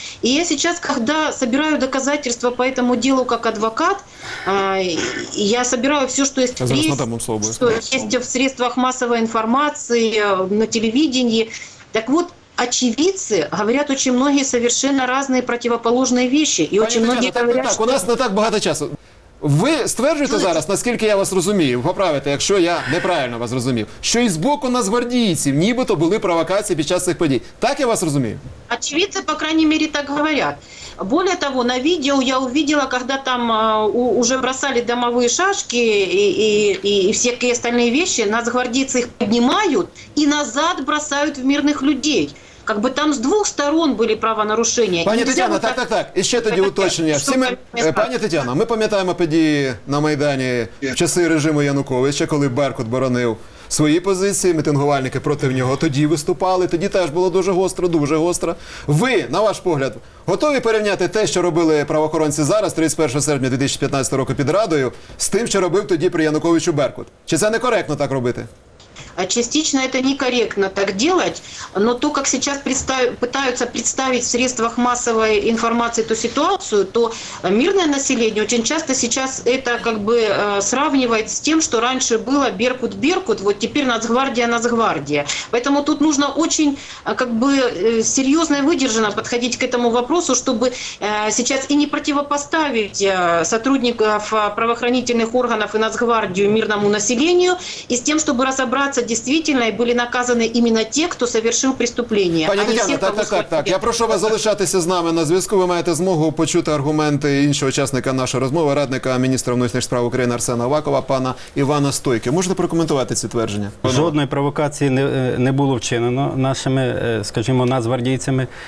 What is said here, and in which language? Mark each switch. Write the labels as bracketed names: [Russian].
[Russian] И я сейчас, когда собираю доказательства по этому делу как адвокат, я собираю все, что есть, что есть в средствах массовой информации, на телевидении. Так вот, очевидцы говорят очень многие совершенно разные противоположные вещи. И [Ukrainian] У нас не так много часу. Ви стверджуєте зараз, наскільки я вас розумію, поправите, якщо я неправильно вас розумів, що і з боку нацгвардійців нібито були провокації під час цих подій. Так я вас розумію? [Russian] Очевидці, по крайней мере, так говорять. Более того, на видео я увидела, когда там уже бросали домовые шашки и всякие остальные вещи, [Ukrainian] нацгвардійці їх піднімають і назад бросають в мирних людей. [Russian] Как бы там с двух сторон были правонарушения. [Ukrainian] Пані Тетяна, так. І ще тоді уточнення. Пані Тетяна, ми пам'ятаємо події на Майдані в часи режиму Януковича, коли Беркут боронив свої позиції, мітингувальники проти нього тоді виступали, тоді теж було дуже гостро. Ви, на ваш погляд, готові порівняти те, що робили правоохоронці зараз, 31 серпня 2015 року під Радою, з тим, що робив тоді при Януковичу Беркут? Чи це некоректно так робити? [Russian] А частично это некорректно так делать, но то, как сейчас пытаются представить в средствах массовой информации эту ситуацию, то мирное население очень часто сейчас это как бы сравнивает с тем, что раньше было Беркут-Беркут, вот теперь Нацгвардия-Нацгвардия. Поэтому тут нужно очень как бы серьезно и выдержанно подходить к этому вопросу, чтобы сейчас и не противопоставить сотрудников правоохранительных органов и Нацгвардию мирному населению, и с тем, чтобы разобраться действительно, [Ukrainian] і були наказані іменно ті, хто совершив преступлення. Пані Тетяна, так. Я прошу вас залишатися з нами на зв'язку. Ви маєте змогу почути аргументи іншого учасника нашої розмови, радника міністра внутрішніх справ України Арсена Авакова, пана Івана Стойки. Можете прокоментувати ці твердження? Жодної провокації не було вчинено нашими, скажімо, нацгвардійцями.